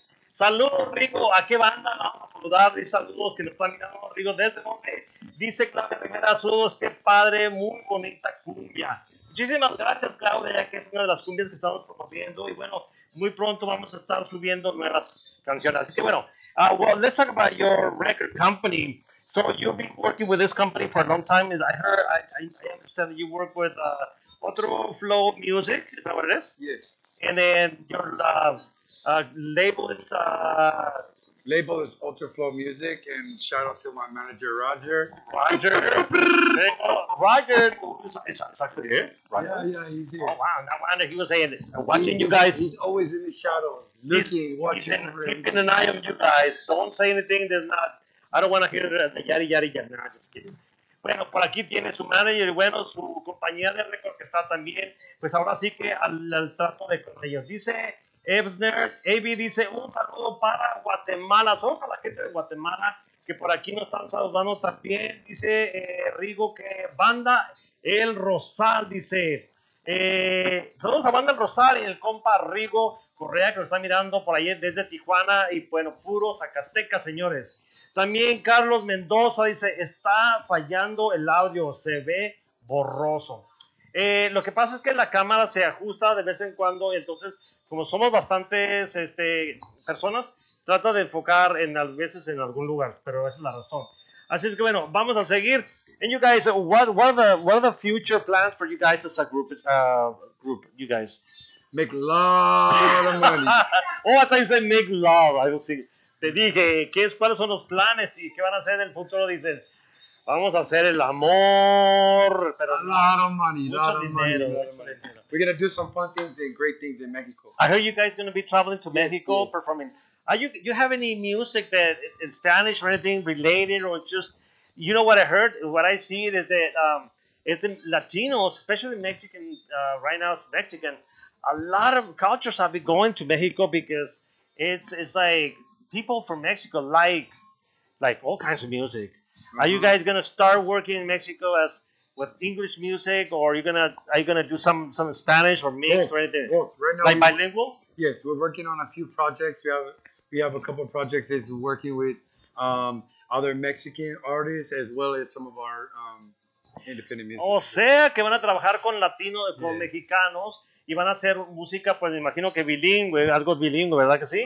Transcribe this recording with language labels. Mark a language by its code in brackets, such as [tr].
[es] Saludos, Rigo. ¿A qué banda vamos a saludar? Y saludos que nos están mirando, Rigo. ¿Desde dónde? Dice Claudia Rivera. Saludos. Qué padre. Muy bonita cumbia. Muchísimas gracias, Claudia, que es una de las cumbias que estamos promoviendo. Y bueno, muy pronto vamos a estar subiendo nuevas canciones. Así que bueno, [en] well, let's talk about your record company. So you've been working with this company for a long time. And I understand that you work with Otro Flow Music. Is that what it is? Yes. And then your label is... Label is Otro Flow Music. And shout out to my manager, Roger. Roger. Roger. It's actually here. Yeah, he's here. Oh, wow. No wonder he was saying it. Watching you guys. He's always in the shadows. Looking, watching. Keeping an eye on you guys. Don't say anything. There's not... I don't want to hear the yari yari yari. No, I'm just kidding. [es] Bueno, por aquí tiene su manager, bueno, su compañía de record que está también. Pues ahora sí que al trato de con ellos. Dice Ebsner, AB dice, un saludo para Guatemala. Saludos a la gente de Guatemala que por aquí nos están saludando también. Dice Rigo que banda El Rosal, dice. Saludos a banda El Rosal y el compa Rigo Correa que nos está mirando por ahí desde Tijuana. Y bueno, puro Zacatecas, señores. También Carlos Mendoza dice, está fallando el audio, se ve borroso. Lo que pasa es que la cámara se ajusta de vez en cuando, entonces, como somos bastantes personas, trata de enfocar en, a veces en algún lugar, pero esa es la razón. Así es que bueno, vamos a seguir. [en] And you guys, what are the future plans for you guys as a group, you guys? Make love. Oh, I thought you said make love, I was thinking. [es] Te dije, ¿cuáles son los planes y qué van a hacer en el futuro? Dicen, vamos a hacer el amor, pero [en] a lot of money, a lot of dinero, money. We're going to do some fun things and great things in Mexico. I heard you guys going to be traveling to Mexico, yes, performing. Are you, you have any music that in Spanish or anything related or just, you know what I heard, what I see is that is the Latinos, especially Mexican, right now it's Mexican, a lot of cultures have been going to Mexico because it's like, people from Mexico like all kinds of music. Mm-hmm. Are you guys gonna start working in Mexico as with English music, or are you gonna do some Spanish or mixed both, or anything? Both. Right now, like bilingual. Yes, we're working on a few projects. We have a couple of projects. Is working with other Mexican artists as well as some of our independent music. [es] O sea, que van a trabajar con latinos, con yes. Mexicanos. Y van a hacer música, pues me imagino que bilingüe, algo bilingüe, ¿verdad que sí?